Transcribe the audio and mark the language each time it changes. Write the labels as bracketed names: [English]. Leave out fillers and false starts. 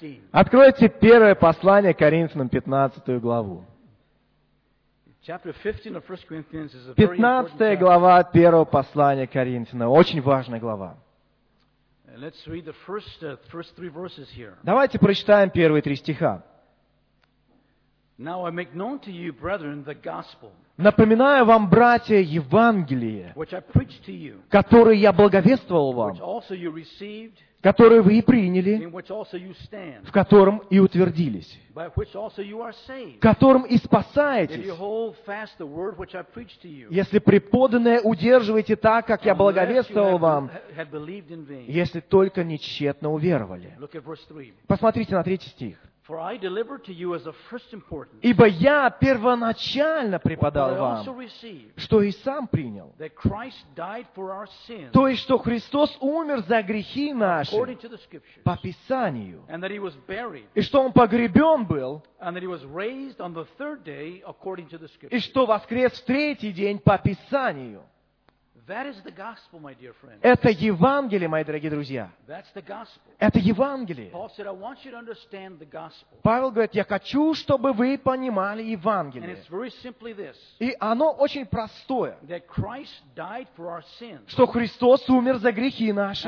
[Russian] Откройте первое послание Коринфянам 15 главу. 15 глава первого послания Коринфянам. Очень важная глава. [English] Let's read the first three verses here. [Russian] Давайте прочитаем первые три стиха. [English] Now I make known to you, brethren, the gospel. [Russian] Напоминаю вам, братья, Евангелие, [English] which I preached to you, [Russian] которое я благовествовал вам, [English] which also you received, [Russian] которое вы и приняли, [English] in which also you stand, [Russian] в котором и утвердились, [English] by which also you are saved, [Russian] которым и спасаетесь, [English] if you hold fast the word which I preached to you, [Russian] если преподанное удерживаете так, как я благовествовал вам, если только не тщетно уверовали. [English] Look at verse 3. [Russian] Посмотрите на третий стих. [English] For I delivered to you as of first importance, [Russian] ибо я первоначально преподал вам, что и сам принял, [English] that Christ died for our sins, [Russian] то есть, что Христос умер за грехи наши, [English] according to the scriptures, [Russian] по Писанию, [English] and that he was buried, [Russian] и что он погребен был, [English] and that he was raised on the third day, according to the scriptures, [Russian] и что воскрес в третий день по Писанию. [English] That is the gospel, my dear friend. [Russian] Это Евангелие, мои дорогие друзья. [English] That's the gospel. [Russian] Это Евангелие. [English] Paul said, I want you to understand the gospel. [Russian] Павел говорит, я хочу, чтобы вы понимали Евангелие. [English] And it's very simply this. [Russian] И оно очень простое. [English] That Christ died for our sins. [Russian] Что Христос умер за грехи наши.